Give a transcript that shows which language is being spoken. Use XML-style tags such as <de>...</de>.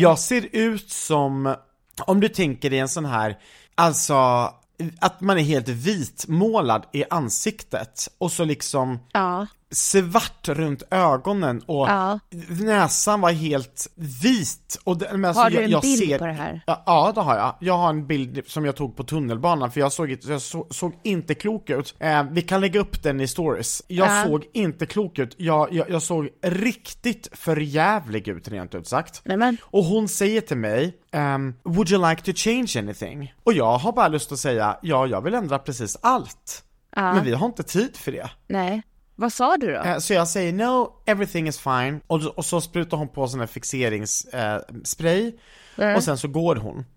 <sv>Jag ser ut som, om du tänker i en sån här, alltså, att man är helt vitmålad i ansiktet och så liksom svart runt ögonen och näsan var helt vit. Och det, men har alltså, du en bild ser, på det här? Ja, det har jag. Jag har en bild som jag tog på tunnelbanan, för jag såg inte klok ut. Vi kan lägga upp den i stories. Jag såg inte klok ut. Jag såg riktigt förjävlig ut, rent ut sagt. Nämen. Och hon säger till mig,</sv> <en>would you like to change anything?</en> <sv>Och jag har bara lust att säga, ja, jag vill ändra precis allt. Men vi har inte tid för det. Nej. Vad sa du då? Så jag säger,</sv> <en>no, everything is fine.</en> <sv>Och så sprutar hon på sån här fixeringsspray. Och sen så går hon.</sv>